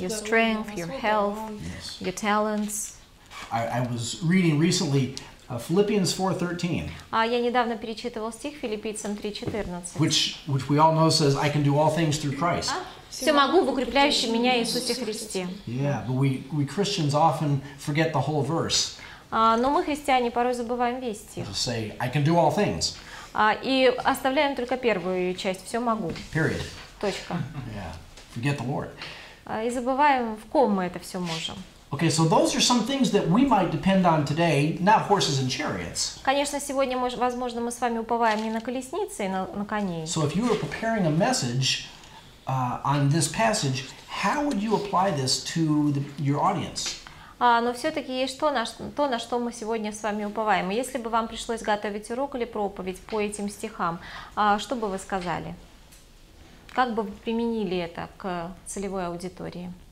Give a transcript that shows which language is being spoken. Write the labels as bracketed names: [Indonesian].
[English] Your strength, your health, yes. Your talents. I was reading recently Philippians 4:13. [Russian] Я недавно перечитывал стих Филиппийцам 3:14. [English] Which we all know says I can do all things through Christ. [Russian] Все могу в укрепляющем меня Иисусе Христе. [English] Yeah, but we Christians often forget the whole verse. [Russian] Но мы христиане порой забываем весь стих. [English] Just say I can do all things. [Russian] И оставляем только первую часть. Все могу. [English] Period. [Russian] Точка. [English] Yeah, forget the Lord. [Russian] И забываем, в ком мы это все можем. [English] Okay, so those are some things that we might depend on today, not horses and chariots. [Russian] Конечно, сегодня, возможно, мы с вами уповаем не на колесницы, а на коней. [English] So if you were preparing a message on this passage, how would you apply this to your audience? [Russian] Но все-таки есть то, на что мы сегодня с вами уповаем. Если бы вам пришлось готовить урок или проповедь по этим стихам, что бы вы сказали? Как бы вы применили это к целевой аудитории?